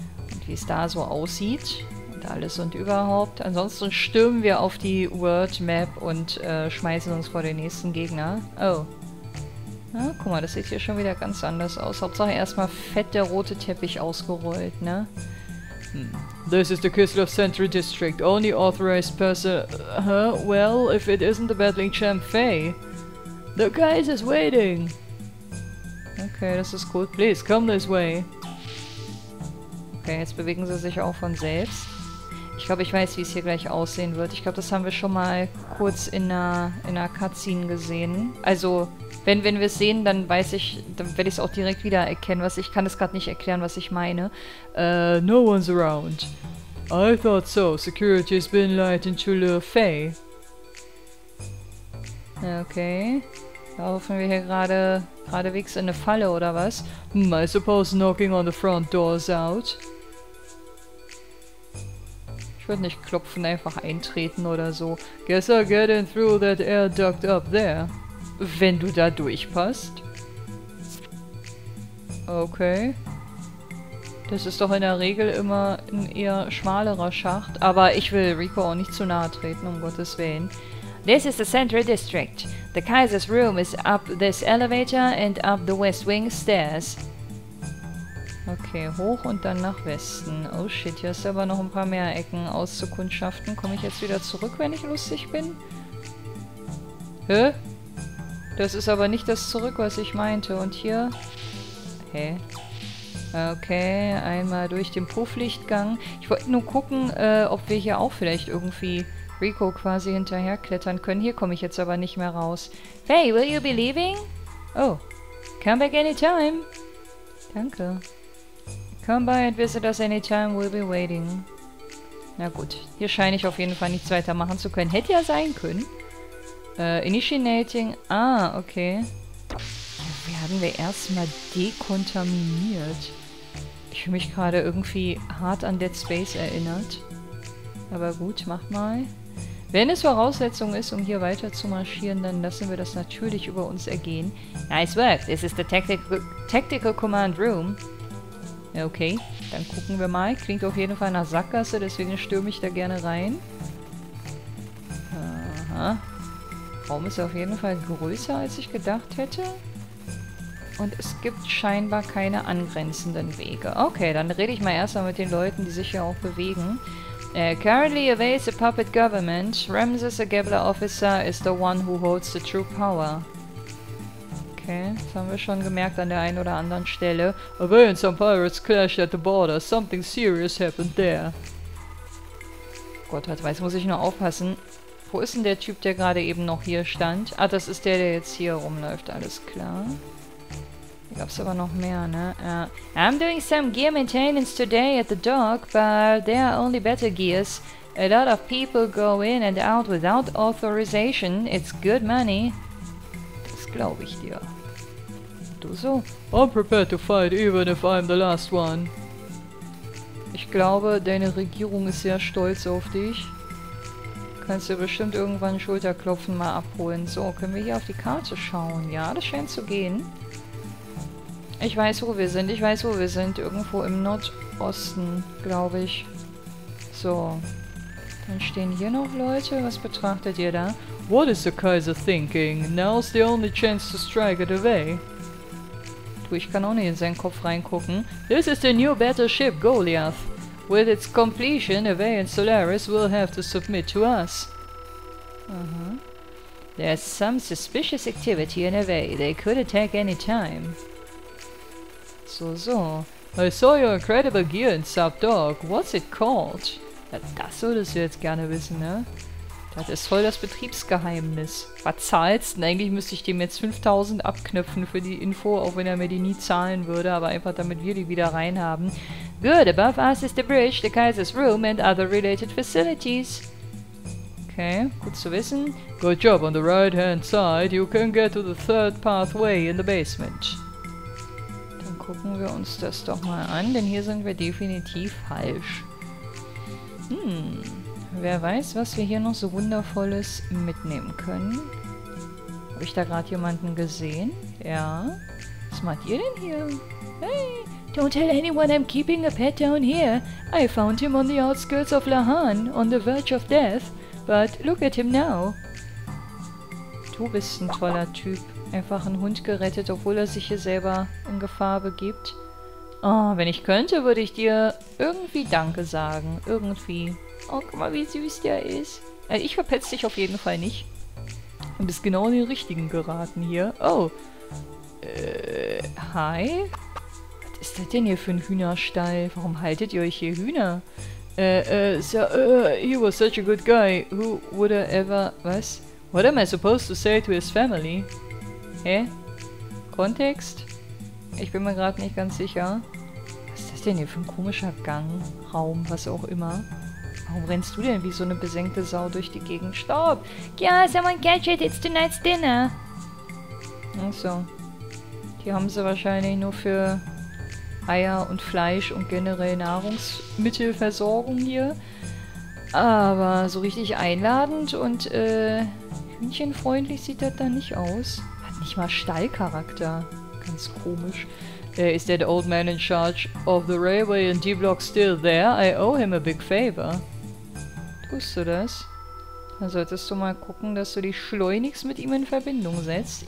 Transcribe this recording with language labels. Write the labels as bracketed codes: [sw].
[de] Und wie es da so aussieht. Und alles und überhaupt. Ansonsten stürmen wir auf die World Map und schmeißen uns vor den nächsten Gegner. Oh. Na, guck mal, das sieht hier schon wieder ganz anders aus. Hauptsache erstmal fett der rote Teppich ausgerollt, ne? [en] This is the Kislev Sentry District. Only authorized person... well, if it isn't the battling champ Faye. The Kaiser's waiting! [de] Okay, das ist gut. [en] Please, come this way. [de] Okay, jetzt bewegen sie sich auch von selbst. Ich glaube, ich weiß, wie es hier gleich aussehen wird. Ich glaube, das haben wir schon mal kurz in einer Cutscene gesehen. Also... Wenn wir es sehen, dann weiß ich, dann werde ich es auch direkt wieder erkennen. Was ich kann es gerade nicht erklären, was ich meine. [en] No one's around. I thought so. Security has been light into Le Fay. Okay. [de] Laufen wir hier geradewegs in eine Falle oder was? [en] I suppose knocking on the front door's out. [de] Ich würde nicht klopfen, einfach eintreten oder so. [en] Guess I'll get in through that air duct up there. [de] Wenn du da durchpasst. Okay. Das ist doch in der Regel immer ein eher schmalerer Schacht. Aber ich will Rico auch nicht zu nahe treten, um Gottes Willen. [en] This is the Central District. The Kaiser's room is up this elevator and up the West Wing stairs. [de] Okay, hoch und dann nach Westen. Oh shit, hier ist aber noch ein paar mehr Ecken auszukundschaften. Komme ich jetzt wieder zurück, wenn ich lustig bin? Hä? Das ist aber nicht das zurück, was ich meinte. Und hier... Hä? Okay, einmal durch den Pufflichtgang. Ich wollte nur gucken, ob wir hier auch vielleicht irgendwie Rico quasi hinterherklettern können. Hier komme ich jetzt aber nicht mehr raus. [en] Hey, will you be leaving? Oh. Come back anytime. [de] Danke. [en] Come by and visit us anytime, we'll be waiting. [de] Na gut, hier scheine ich auf jeden Fall nichts weiter machen zu können. Hätte ja sein können. Initiating. Ah, okay. Werden wir erstmal dekontaminiert? Ich fühle mich gerade irgendwie hart an Dead Space erinnert. Aber gut, mach mal. Wenn es Voraussetzung ist, um hier weiter zu marschieren, dann lassen wir das natürlich über uns ergehen. [en] Nice work. This is the Tactical Command Room. [de] Okay, dann gucken wir mal. Klingt auf jeden Fall nach Sackgasse, deswegen stürme ich da gerne rein. Aha. Der Raum ist auf jeden Fall größer, als ich gedacht hätte. Und es gibt scheinbar keine angrenzenden Wege. Okay, dann rede ich mal erstmal mit den Leuten, die sich hier auch bewegen. [en] Currently evades a puppet government. Ramses, a Gabler officer, is the one who holds the true power. [de] Okay, das haben wir schon gemerkt an der einen oder anderen Stelle. [en] Again, some pirates clashed at the border. Something serious happened there. [de] Gott, was weiß, muss ich nur aufpassen. Wo ist denn der Typ, der gerade eben noch hier stand? Ah, das ist der, der jetzt hier rumläuft. Alles klar. Hier gab's aber noch mehr, ne? [en] I'm doing some gear maintenance today at the dock, but there are only better gears. A lot of people go in and out without authorization. It's good money. [de] Das glaube ich dir. Du so? [en] I'm prepared to fight, even if I'm the last one. [de] Ich glaube, deine Regierung ist sehr stolz auf dich. Kannst du bestimmt irgendwann Schulterklopfen mal abholen. So, können wir hier auf die Karte schauen? Ja, das scheint zu gehen. Ich weiß, wo wir sind. Irgendwo im Nordosten, glaube ich. So. Dann stehen hier noch Leute. Was betrachtet ihr da? [en] What is the Kaiser thinking? Now's the only chance to strike it away. [de] Du, ich kann auch nicht in seinen Kopf reingucken. [en] This is the new battleship Goliath. With its completion, Avey and Solaris will have to submit to us. Uh-huh. There's some suspicious activity in Avey. They could attack any time. [de] So, so. [en] I saw your incredible gear in Subdog. What's it called? [de] Das solltest du jetzt gerne wissen, ne? Das ist voll das Betriebsgeheimnis. Was zahlst denn? Eigentlich müsste ich dem jetzt 5000 abknöpfen für die Info, auch wenn er mir die nie zahlen würde, aber einfach damit wir die wieder reinhaben. [en] Good, above us is the bridge, the Kaiser's room and other related facilities. [de] Okay, gut zu wissen. [en] Good job, on the right hand side, you can get to the third pathway in the basement. [de] Dann guck gucken wir uns das doch mal an, denn hier sind wir definitiv falsch. Wer weiß, was wir hier noch so Wundervolles mitnehmen können. Habe ich da gerade jemanden gesehen? Ja. Was macht ihr denn hier? [en] Hey, don't tell anyone I'm keeping a pet down here. I found him on the outskirts of Lahan, on the verge of death. But look at him now. [de] Du bist ein toller Typ. Einfach einen Hund gerettet, obwohl er sich hier selber in Gefahr begibt. Oh, wenn ich könnte, würde ich dir irgendwie Danke sagen. Irgendwie. Oh, guck mal, wie süß der ist. Ich verpetze dich auf jeden Fall nicht. Du bist genau in den richtigen geraten hier. Oh. Hi. Was ist das denn hier für ein Hühnerstall? Warum haltet ihr euch hier Hühner? [en] He was such a good guy. Who would I ever... [de] Was? [en] What am I supposed to say to his family? [de] Hä? Kontext? Ich bin mir gerade nicht ganz sicher. Was ist das denn hier für ein komischer Gang, Raum, was auch immer? Warum rennst du denn wie so eine besenkte Sau durch die Gegend? Stopp! [en] Ja, someone catch it, it's tonight's dinner! [de] Achso. Die haben sie wahrscheinlich nur für Eier und Fleisch und generell Nahrungsmittelversorgung hier. Aber so richtig einladend und hühnchenfreundlich sieht das da nicht aus. Nicht mal Stallcharakter. Ganz komisch. [en] Is that old man in charge of the railway in D-Block still there? I owe him a big favor. [de] Tust du das? Dann solltest du mal gucken, dass du dich schleunigst mit ihm in Verbindung setzt.